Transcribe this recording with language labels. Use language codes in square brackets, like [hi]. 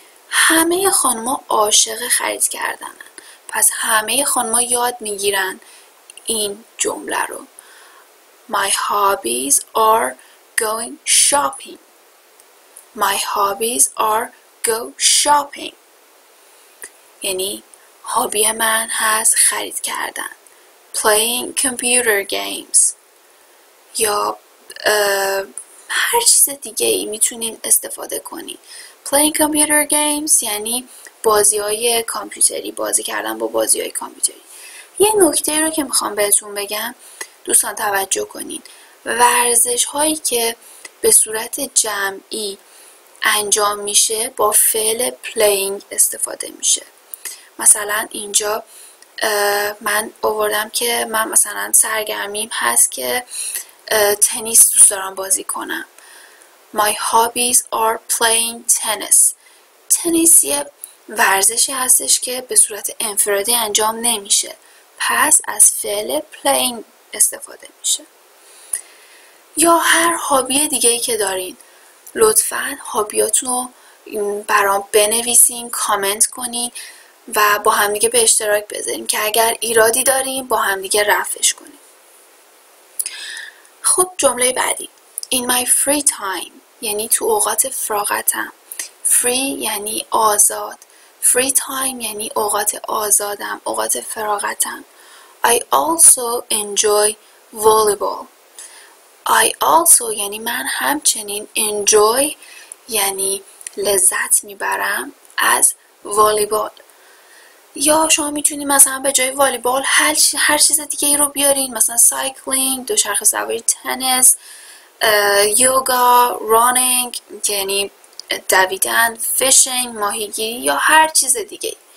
[fa] همه خانما عاشق خرید کردنن. پس همه خانما یاد میگیرن این جمله رو. [en] My hobbies are going shopping. My hobbies are go shopping. [fa] یعنی هابی من هست خرید کردن. [en] Playing computer games. [fa] یا هر چیز دیگه ای میتونین استفاده کنین. [en] Playing computer games [fa] یعنی بازی های کامپیوتری. بازی کردن با بازی های کامپیوتری. یه نکته رو که میخوام بهتون بگم. دوستان توجه کنین. ورزش هایی که به صورت جمعی انجام میشه با فعل playing استفاده میشه. مثلا اینجا من آوردم که من مثلا سرگرمیم هست که تنیس دوست دارم بازی کنم. [en] My hobbies are playing tennis. [fa] تنیس یه ورزشی هستش که به صورت انفرادی انجام نمیشه. پس از فعل playing استفاده میشه. یا هر هابی دیگه‌ای که دارین لطفاً هابیاتون رو برام بنویسین، کامنت کنین و با همدیگه به اشتراک بذاریم که اگر ایرادی داریم با همدیگه رفعش کنیم. خب جمله بعدی. [en] In my free time [fa] یعنی تو اوقات فراغتم. Free یعنی آزاد. Free time یعنی اوقات آزادم، اوقات فراغتم. [en] I also enjoy volleyball. I also [fa] یعنی من همچنین enjoy یعنی لذت میبرم از volleyball. یا شما میتونید مثلا به جای والیبال هر چیز دیگه ای رو بیارین. مثلا سایکلینگ، دوچرخه سواری، تنیس، یوگا، رانینگ یعنی دویدن، فیشینگ، ماهیگیری یا هر چیز دیگه.